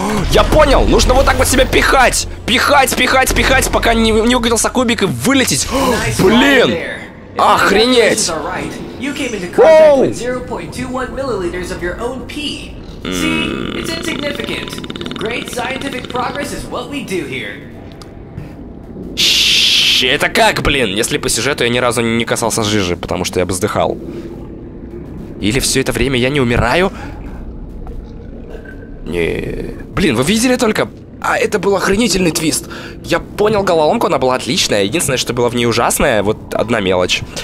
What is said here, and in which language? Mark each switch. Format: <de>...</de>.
<ru>Я понял! Нужно вот так вот себя пихать! Пихать, пока не угодился кубик и вылететь! Блин! Охренеть!</ru> <en>You came into contact with 0.21 milliliters of your own pee. See, it's insignificant. Great scientific progress is what we do here.</en> <ru>Щ, это как, блин? Если по сюжету я ни разу не касался жижи, потому что я бы вздыхал. Или все это время я не умираю? Не, блин, вы видели только? А это был охренительный твист. Я понял головоломку, она была отличная. Единственное, что было в ней ужасное, вот одна мелочь.</ru>